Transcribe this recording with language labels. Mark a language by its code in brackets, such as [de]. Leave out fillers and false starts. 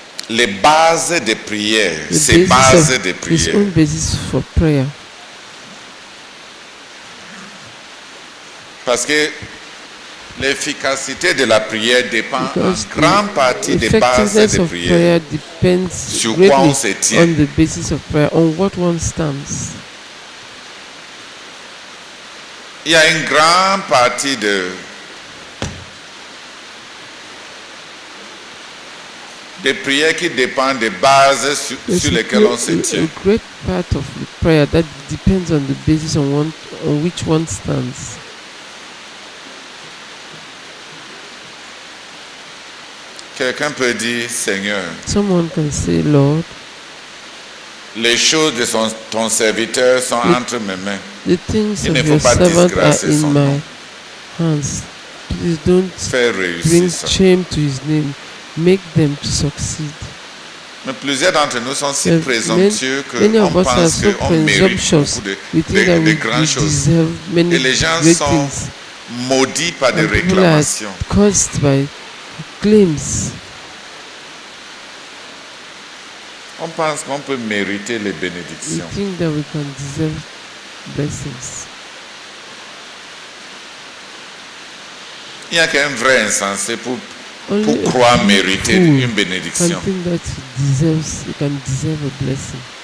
[fr] Les bases de prière, ses bases de prière. [en] His own basis for prayer. [fr] Parce que l'efficacité de la prière dépend en grande partie des bases de prière. [en] Prayer depends [fr] sur quoi on se tient. [en] On the basis of prayer, on what one stands. [fr] Il y a une grande partie de des prières qui dépendent des bases sur lesquelles on se tient. [en] A great part of the prayer that depends on the basis on which one stands. [fr] Quelqu'un peut dire Seigneur. [en] Someone can say Lord. [fr] Les choses de son, ton serviteur sont entre mes mains. [en] The things of your servant are in my hands. Please don't bring shame to his name. Make them to succeed. [fr] Mais plusieurs d'entre nous sont si présomptueux qu'on pense qu'on mérite beaucoup de grandes choses. Et les gens sont maudits par des réclamations. [en] Caused by claims. [fr] On pense qu'on peut mériter les bénédictions. [en] We think that we can deserve blessings. [fr] Il n'y a qu'un vrai insensé pour croire mériter une bénédiction. [en] Can think that you can deserve a blessing.